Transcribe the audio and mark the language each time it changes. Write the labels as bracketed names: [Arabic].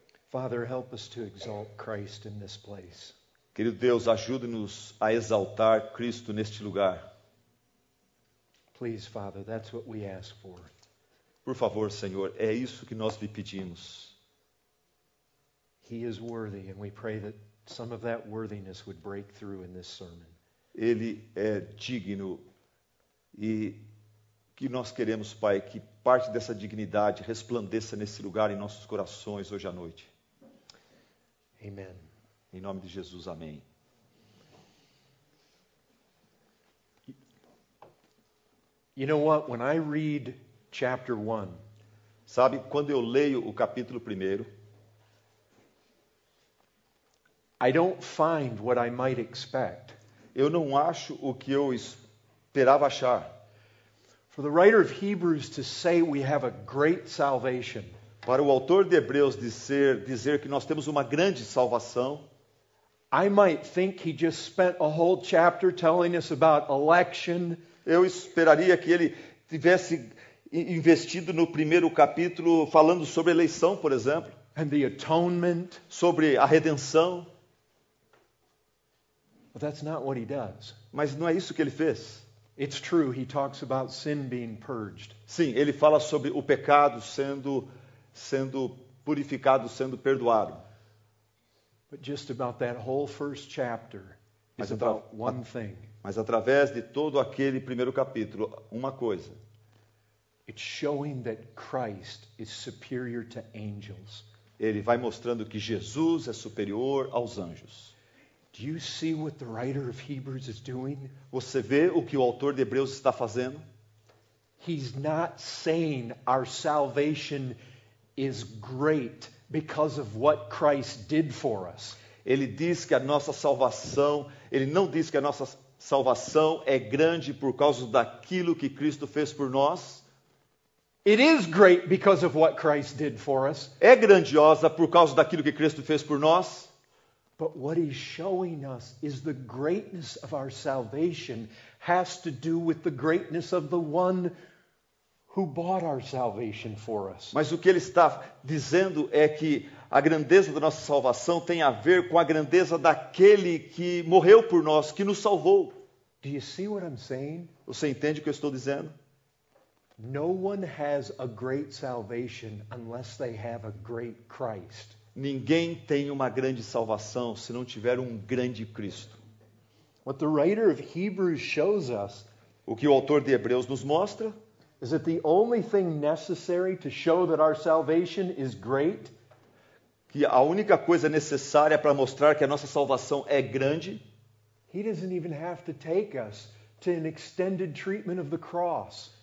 [English] Father, help us to exalt Christ in this place. [Portuguese] Querido Deus, ajude-nos a exaltar Cristo neste lugar. [English] Please, Father, that's what we ask for. [Portuguese] Por favor, Senhor, é isso que nós lhe pedimos. [English] He is worthy, and we pray that some of that worthiness would break through in this sermon. [Portuguese] Ele é digno. E que nós queremos, Pai, que parte dessa dignidade resplandeça nesse lugar em nossos corações hoje à noite. Amém. Em nome de Jesus, amém. [English] You know what? When I read chapter 1, [Portuguese] sabe, quando eu leio o capítulo 1, [English] I don't find what I might expect. [Portuguese] Eu não acho o que eu esperava achar. [English] For the writer of Hebrews to say we have a great salvation. [Portuguese] Para o autor de Hebreus dizer que nós temos uma grande salvação. [English] I might think he just spent a whole chapter telling us about election. [Portuguese] Eu esperaria que ele tivesse investido no primeiro capítulo, falando sobre eleição, por exemplo. [English] And the atonement. [Portuguese] Sobre a redenção. [English] But that's not what he does. [Portuguese] Mas não é isso que ele fez. [English] It's true, he talks about sin being purged. [Portuguese] Sim, ele fala sobre o pecado sendo purificado, sendo perdoado. [English] But just about that whole first chapter is about one thing. [Portuguese] Mas através de todo aquele primeiro capítulo, uma coisa. [English] It's showing that Christ is superior to angels. [Portuguese] Ele vai mostrando que Jesus é superior aos anjos. [English] Do you see what the writer of Hebrews is doing? [Portuguese] Você vê o que o autor de Hebreus está fazendo? [English] He's not saying our salvation is great because of what Christ did for us. [Portuguese] Ele diz que a nossa salvação, ele não diz que a nossa salvação é grande por causa daquilo que Cristo fez por nós. [English] It is great because of what Christ did for us. [Portuguese] É grandiosa por causa daquilo que Cristo fez por nós. [English] But what he's showing us is the greatness of our salvation has to do with the greatness of the one who bought our salvation for us. [Portuguese] Mas o que ele está dizendo é que a grandeza da nossa salvação tem a ver com a grandeza daquele que morreu por nós, que nos salvou. [English] Do you see what I'm saying? [Portuguese] Você entende o que eu estou dizendo? [English] No one has a great salvation unless they have a great Christ. [Portuguese] Ninguém tem uma grande salvação se não tiver um grande Cristo. [English] What the writer of Hebrews shows us, [Portuguese] o que o autor de Hebreus nos mostra, [English] is that the only thing necessary to show that our salvation is great, [Portuguese] que a única coisa necessária para mostrar que a nossa salvação é grande, [English] he doesn't even have to take us to an extended treatment of the cross.